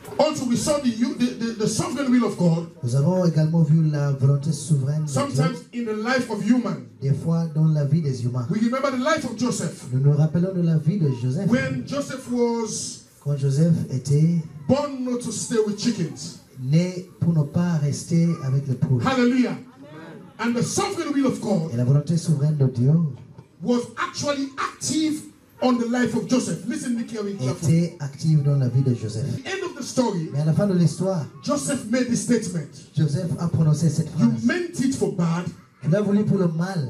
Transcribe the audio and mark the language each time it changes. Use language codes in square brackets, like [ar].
[en] Also, we saw the sovereign will of God. [fr] Nous avons également vu la volonté souveraine de [en] sometimes [fr] Dieu. [en] In the life of human, [fr] des fois dans la vie des humains. [en] We remember the life of Joseph. [fr] Nous nous rappelons de la vie de Joseph. [en] When Joseph was [fr] quand Joseph était [en] born not to stay with chickens. [fr] Né pour ne pas rester avec les poules. [en] Hallelujah. And the sovereign will of God. [fr] Et la volonté souveraine de Dieu [en] was actually active on the life of Joseph. Listen me carefully. [fr] Était active dans la vie de Joseph. [en] The end of the story. [fr] Mais à la fin de l'histoire, [en] Joseph made this statement. [fr] Joseph a prononcé cette phrase. [en] You meant it for bad. [fr] Tu l'as voulu pour le mal.